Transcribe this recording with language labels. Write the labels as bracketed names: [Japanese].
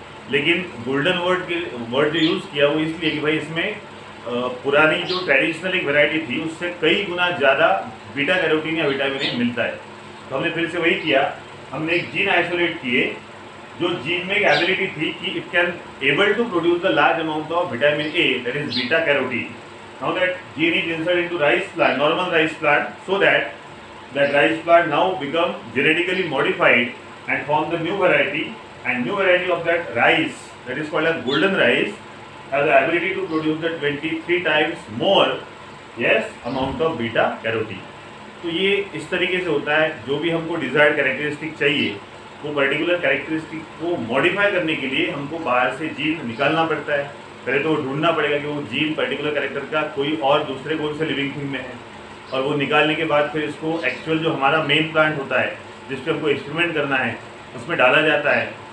[Hindi] लेकिन golden word के word जो यूज़ किया वो इसलिए कि भाई इसमें पुरानी जो ट्रेडिशनल एक वैरायटी थी उससे कई गुना ज़्यादा बीटा कैरोटीन या विटामिन ए मिलता है. तो हमने फिर से वही किया हमने एक जीन आइसोलेट किए जो जीन में एक एबिलिटी थी कि [English] It can able to produce the large amount of vitamin A that is beta carotene. Now that gene is inserted into rice plant, normal rice plant, so that that rice plant now become genetically modified and form the new variety. And new variety of that rice, that is called as golden rice, has the ability to produce the 23 times more, yes, amount of beta carotene. [Hindi] तो ये इस तरीके से होता है. जो भी हमको desired characteristic चाहिए वो particular characteristic को modify करने के लिए हमको बाहर से gene निकालना पड़ता है. पहले तो ढूंढना पड़ेगा कि वो जीन पर्टिकुलर कैरेक्टर का कोई और दूसरे कौन से लिविंग थिंग में है और वो निकालने के बाद फिर इसको एक्चुअल जो हमारा मेन प्लांट होता है जिस पर हमको एक्सपेरिमेंट करना है उसमें डाला जाता है.